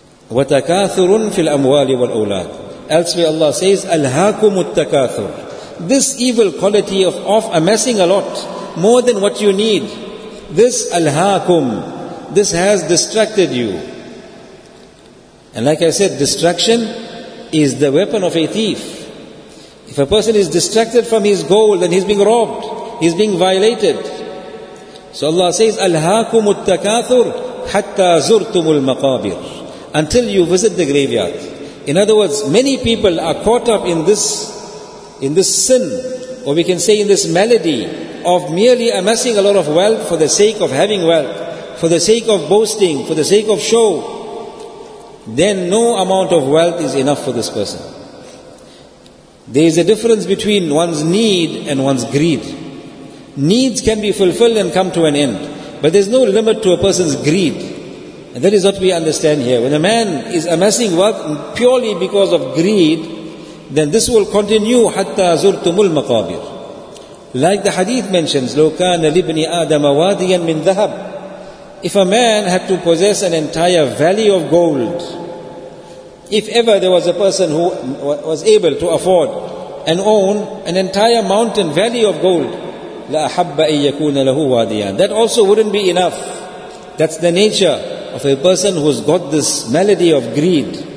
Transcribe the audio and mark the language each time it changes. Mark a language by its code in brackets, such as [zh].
[ar] وَتَكَاثُرٌ فِي الْأَمْوَالِ وَالْأَوْلَادِ [en] Elsewhere Allah says, [ar] أَلْهَاكُمُ التَّكَاثُرُ [en] This evil quality of amassing a lot, more than what you need, this alhaakum, this has distracted you. And like I said, distraction is the weapon of a thief. If a person is distracted from his goal, then he's being robbed, he's being violated. So Allah says, [ar] أَلْهَاكُمُ التَّكَاثُرُ حَتَّى زُرْتُمُ الْمَقَابِرُ [en] until you visit the graveyard. In other words, many people are caught up in this sin, or we can say in this malady, of merely amassing a lot of wealth for the sake of having wealth, for the sake of boasting, for the sake of show. Then no amount of wealth is enough for this person. There is a difference between one's need and one's greed. Needs can be fulfilled and come to an end, but there's no limit to a person's greed. And that is what we understand here. When a man is amassing wealth purely because of greed, then this will continue [ar] hatta zurtumul maqabir. [en] Like the hadith mentions, [ar] لو كان لِبْنِ آدَمَ وَادِيًا مِنْ ذَهَبٍ. [en] If a man had to possess an entire valley of gold, if ever there was a person who was able to afford and own an entire mountain valley of gold, [ar] لَأَحَبَّ أَن يَكُونَ لَهُ وَادِيًا. [en] That also wouldn't be enough. That's the nature of a person who's got this malady of greed.